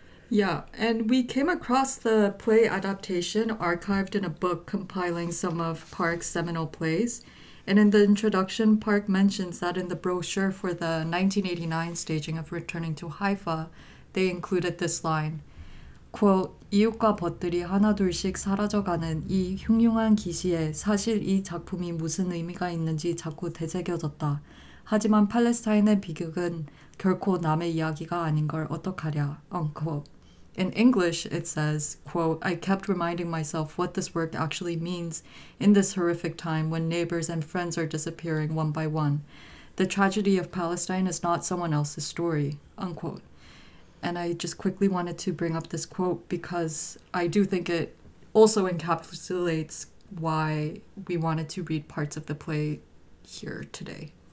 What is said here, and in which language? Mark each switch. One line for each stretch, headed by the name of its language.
English: Yeah, and we came across the play adaptation archived in a book compiling some of Park's seminal plays. And in the introduction, Park mentions that in the brochure for the 1989 staging of Returning to Haifa, they included this line. Quote,
Korean: 이웃과 벗들이 하나둘씩 사라져가는 이 흉흉한 기시에 사실 이 작품이 무슨 의미가 있는지 자꾸 되새겨졌다. 하지만 팔레스타인의 비극은 결코 남의 이야기가 아닌 걸 어떡하랴.
English: Unquote. In English, it says, quote, I kept reminding myself what this work actually means in this horrific time when neighbors and friends are disappearing one by one. the tragedy of Palestine is not someone else's story, unquote. And I just quickly wanted to bring up this quote because I do think it also encapsulates why we wanted to read parts of the play here today.